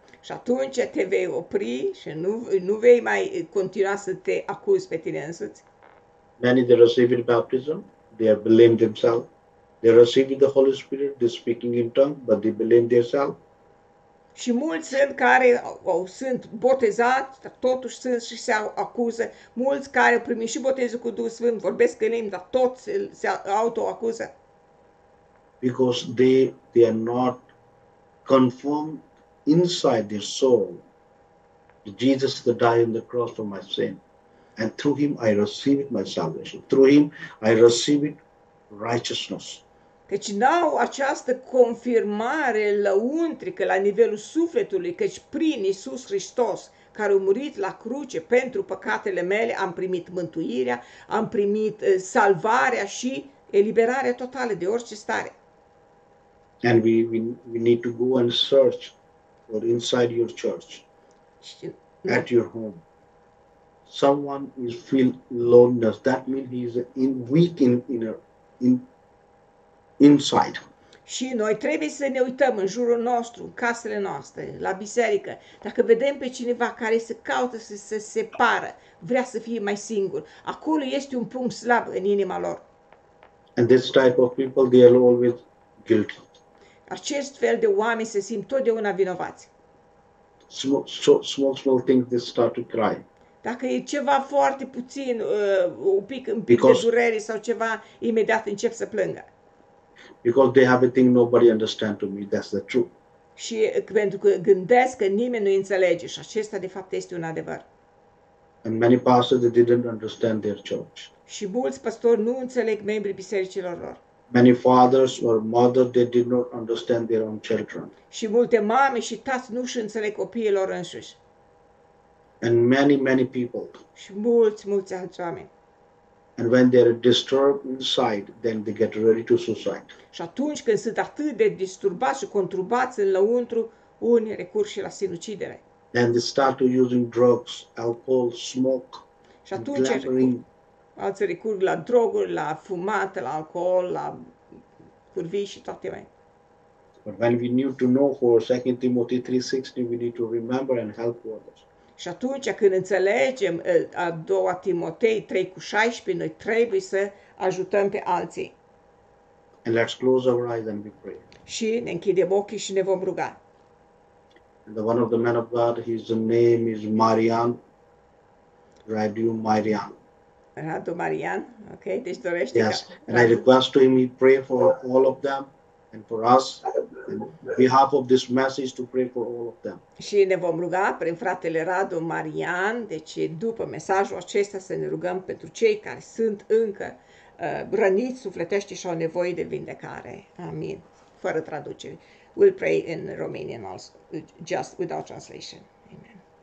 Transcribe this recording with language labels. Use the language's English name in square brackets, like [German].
[Romanian] Și atunci te vei opri și nu vei mai continua să te acuzi pe tine însuți. [English] Many they receive the baptism, they are blame themselves. They receive the Holy Spirit, they speaking in tongue, but they blame themselves. [Romanian] Și mulți sunt care sunt botezați, dar totuși sunt și se acuză. Mulți care au primit și botezul cu Duhul Sfânt, vorbesc în limbi, dar tot se autoacuză. [English] Because they are not confirmed inside their soul, Jesus the died on the cross for my sin, and through him I receive my salvation, through him I receive it righteousness. [Romanian] Căci n-au această confirmare lăuntrică la nivelul sufletului, căci prin Iisus Hristos, care a murit la cruce pentru păcatele mele, am primit mântuirea, am primit salvarea și eliberarea totală de orice stare. [English] And we need to go and search or inside your church, at your home, someone is feel loneliness. That means he is weak in inside. [Romanian] Și noi trebuie să ne uităm în jurul nostru, în casele noastre, la biserică. Dacă vedem pe cineva care se caută să se separă, vrea să fie mai singur, acolo este un punct slab în inima lor. [English] And this type of people, they are always guilty. [Romanian] Acest fel de oameni se simt totdeauna vinovați. [English] Small things, they start to cry. [Romanian] Dacă e ceva foarte puțin, un pic de durere sau ceva, imediat încep să plângă. [English] Because they have a thing nobody understand to me, that's the truth. [Romanian] Și pentru că gândesc că nimeni nu înțelege și acesta de fapt este un adevăr. [English] And many pastors, they didn't understand their church. [Romanian] Și mulți pastori nu înțeleg membrii bisericilor lor. [English] Many fathers or mothers, they did not understand their own children. [Romanian] Și multe mame și tați nu își înțeleg copiilor înșiși. [English] And many, many people. [Romanian] Și mulți, mulți alți oameni. [English] And when they are disturbed inside, then they get ready to suicide. [Romanian] Și atunci când sunt atât de disturbați și conturbați în lăuntru, unii recur și la sinucidere. [English] Then they start to using drugs, alcohol, smoke, [Romanian] și atunci [English] glamouring. [Romanian] Alții recurg la droguri, la fumat, la alcool, la curvii și toate mai. [English] But when we need to know for 2 Timothy 3:16, we need to remember and help others. [Romanian] Și atunci când înțelegem a 2 Timotei 3:16, noi trebuie să ajutăm pe alții. [English] And let's close our eyes and we pray. [Romanian] Și ne închidem ochii și ne vom ruga. [English] And the one of the men of God, his name is Marian, Radu Marian. [Romanian] Radu Marian, okay, deci dorește. [English] Yes, and I request to him, he pray for all of them. and for us, on behalf of this message, to pray for all of them. [Romanian] Și ne vom ruga prin fratele Radu Marian, deci după mesajul acesta să ne rugăm pentru cei care sunt încă răniți sufletește și au nevoie de vindecare. Amin. Fără traducere. [English] We'll pray in Romanian also, just without translation. Amen.